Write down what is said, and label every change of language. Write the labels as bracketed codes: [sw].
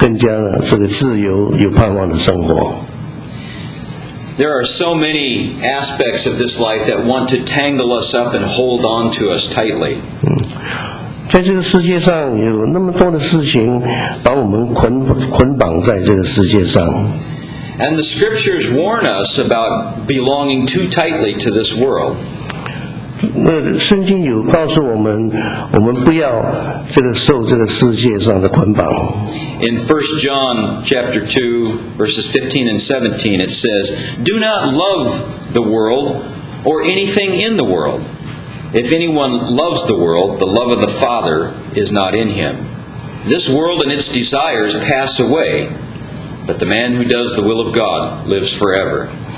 [zh] 假如我们生活在这个世界上，我们要怎么样去脱离这个世界上的捆绑，也过一种更加这个自由、有盼望的生活。 [en] There are so many aspects of this life that want to tangle us up and hold on to us tightly. [zh] 在这个世界上有那么多的事情把我们捆绑在这个世界上。 [en] And the scriptures warn us about belonging too tightly to this world. [zh] 圣经有告诉我们，我们不要这个受这个世界上的捆绑。 [en] In 1 John chapter 2 verses 15 and 17 it says, Do not love the world or anything in the world. If anyone loves the world, the love of the Father is not in him. This world and its desires pass away, but the man who does the will of God lives forever.